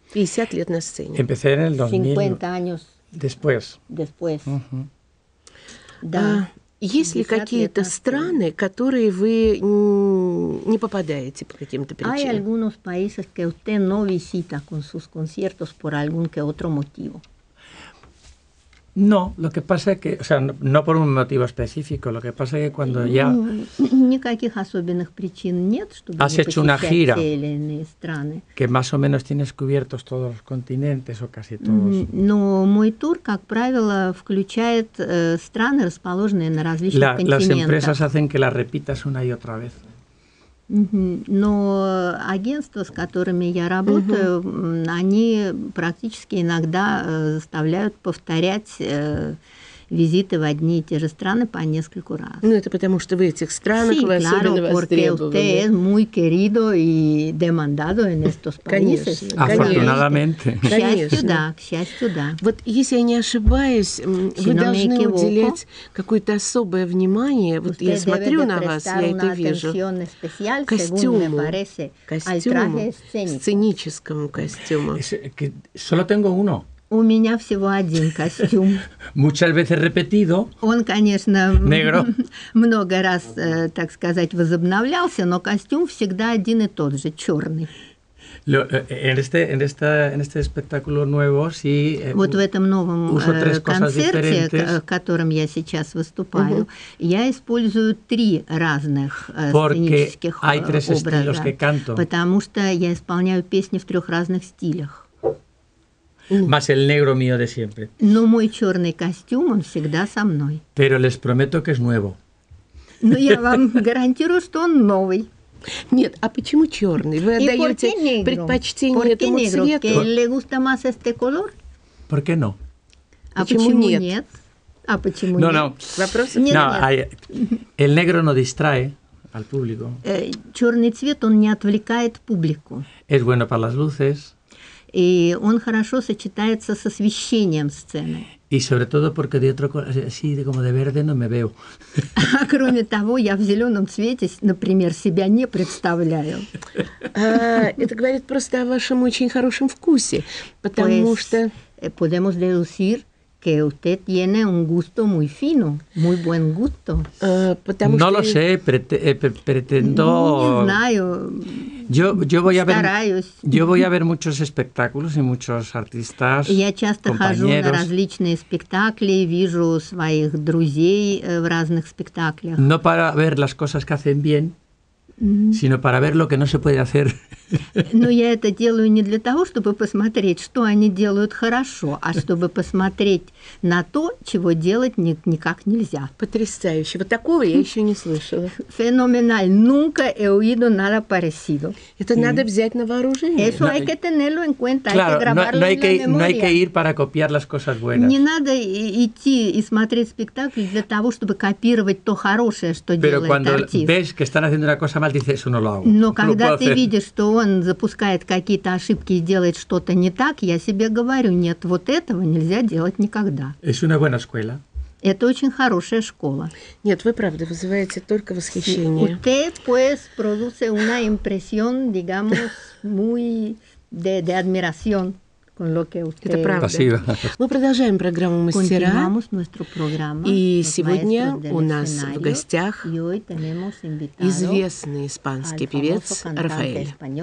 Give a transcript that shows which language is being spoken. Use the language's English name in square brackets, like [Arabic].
[Russian] 50 лет на сцене. [Spanish] Empecé en el 2000. 50 años. Después. Después. [Russian] Да. Есть ли какие-то страны, которые вы не попадаете по каким-то причинам? [Spanish] Hay algunos países que usted no visita con sus conciertos por algún que otro motivo. No, lo que pasa es que, o sea, no por un motivo específico, lo que pasa es que cuando ya... [Russian] Никаких особенных причин нет, чтобы [Spanish] has hecho una gira [Russian] страны. [Spanish] Que más o menos tienes cubiertos todos los continentes o casi todos. [Russian] Но мой тур, как правило, включает страны, расположенные на различных континентах. [Spanish] Las empresas hacen que la repitas una y otra vez. [Russian] Но агентства, с которыми я работаю, они практически иногда заставляют повторять визиты в одни и те же страны по нескольку раз. Ну, это потому, что вы этих странах [Spanish] sí, [Russian] особенно востребованы. [Spanish] Claro, porque usted es muy querido y demandado en estos países. Afortunadamente. [Russian] К счастью, да, к счастью, да. Вот если я не ошибаюсь, вы должны уделять какое-то особое внимание. Вот я смотрю на вас, я это вижу. Костюму. Костюму. Сценическому костюму. [Spanish] Solo tengo uno. [Russian] У меня всего один костюм. [Spanish] Muchas veces repetido. [Russian] Он, конечно, [Spanish] negro. [Russian] Много раз, так сказать, возобновлялся, но костюм всегда один и тот же, черный. [Spanish] En este espectáculo nuevo, sí, [Russian] вот в этом новом концерте, в котором я сейчас выступаю, я использую три разных сценических [Spanish] hay tres [Russian] образа. [Spanish] Estilos que canto. [Russian] Потому что я исполняю песни в трех разных стилях. [Spanish] Más el negro mío de siempre. [Russian] Но мой черный костюм, он всегда со мной. [Spanish] Pero les prometo que es nuevo. [Russian] Но я вам гарантирую, что он новый. Нет, а почему черный? Вы отдаете предпочтение этому цвету? [Spanish] Le gusta más este color? ¿Por qué no? [Russian] А почему нет? Нет? А почему [Spanish] no, [Russian] нет? [Spanish] No. [Russian] Вопросов нет. [Spanish] No, нет. El negro no distrae al público. [Russian] Черный цвет, он не отвлекает публику. [Spanish] Es bueno para las luces. [Russian] И он хорошо сочетается с освещением сцены. [Spanish] Y sobre todo porque de otro color, así de como de verde, no me veo. [Russian] А кроме того, я в зеленом цвете, например, себя не представляю. Это говорит просто о вашем очень хорошем вкусе, потому [Spanish] pues, [Russian] что... [Spanish] Podemos deducir que usted tiene un gusto muy fino, muy buen gusto. [Russian] Потому no что... [Spanish] lo sé, pretendo... [Russian] Не знаю. [Spanish] Yo voy a ver, yo voy a ver muchos espectáculos y muchos artistas, [Russian] Я часто [Spanish] compañeros. [Russian] Хожу на различные спектакли, вижу своих друзей в разных спектаклях. [Spanish] No para ver las cosas que hacen bien, sino para ver lo que no se puede hacer. [Russian] Но я это делаю не для того, чтобы посмотреть, что они делают хорошо, а чтобы посмотреть на то, чего делать никак нельзя. Потрясающе. Вот такого я еще не слышала. Феноменально. [Spanish] Nunca he oído nada parecido. [Russian] Это надо взять на вооружение. [Spanish] Eso hay que tenerlo en cuenta. Claro, hay que grabarlo en la memoria. No hay que ir para copiar las cosas buenas. [Russian] Не надо идти и смотреть спектакль для того, чтобы копировать то хорошее, что делает артист. [Spanish] Pero cuando ves que están haciendo una cosa mal, dices, eso no lo hago. [Russian] Но когда ты видишь, что он запускает какие-то ошибки и делает что-то не так, я себе говорю, нет, вот этого нельзя делать никогда. [Spanish] Es una buena escuela. [Russian] Это очень хорошая школа. Нет, вы правда вызываете только восхищение. [Spanish] Usted, pues, produce una impresión, digamos, muy de admiración con lo que usted... [Russian] Это правда. Спасибо. Мы продолжаем программу «Мастера». [Spanish] Continuamos nuestra programa. [Russian] И сегодня у нас в гостях известный испанский певец Рафаэль.